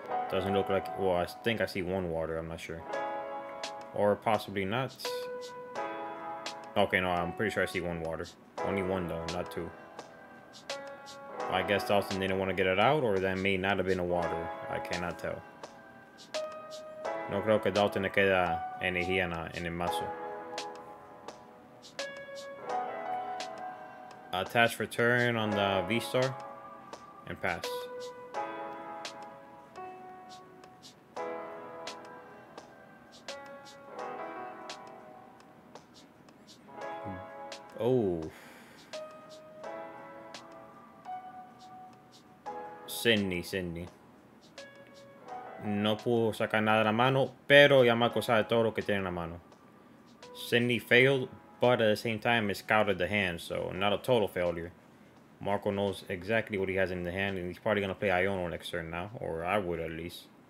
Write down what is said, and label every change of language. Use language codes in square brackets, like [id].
[en] Doesn't look like, well, I think I see one water. I'm not sure. Or possibly not. Okay, no, I'm pretty sure I see one water. Only one, though, not two. I guess Dalton didn't want to get it out, or that may not have been a water. I cannot tell. [es] No creo que Dalton le queda energía en el mazo. [en] Attach for turn on the V-Star and pass. Oh. Sydney. [es] No pudo sacar nada de la mano, pero ya me acusaba de todo lo que tiene en la mano. [en] Sydney failed, but at the same time, it scouted the hand, so not a total failure. Marco knows exactly what he has in the hand, and he's probably going to play Iono next turn now, or I would at least.